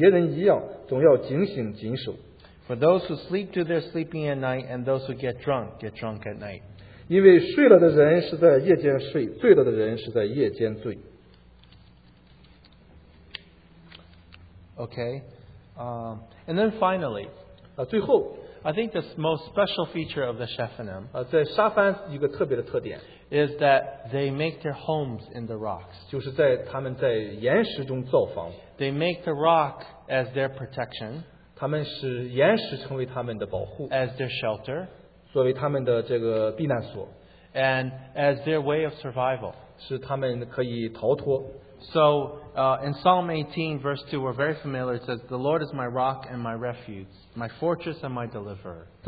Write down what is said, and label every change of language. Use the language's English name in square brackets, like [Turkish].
[Chinese] 第六节，所以我们不要睡觉，像别人一样，总要警醒谨守。 [English] For those who sleep do their sleeping at night, and those who get drunk at night. [Chinese] 因为睡了的人是在夜间睡，醉了的人是在夜间醉。 [English] Okay, and then finally, [Chinese] 最后, [English] I think the most special feature of the Shephanim [Chinese] 在沙番一个特别的特点, [English] is that they make their homes in the rocks. [Chinese] 就是在他们在岩石中造房。 [English] They make the rock as their protection, [Chinese] 他们使岩石成为他们的保护, [English] as their shelter, [Chinese] 作为他们的这个避难所, [English] and as their way of survival. [Chinese] 使他们可以逃脱。 [English] So, in Psalm 18, verse 2, we're very familiar, it says, The Lord is my rock and my refuge, my fortress and my deliverer.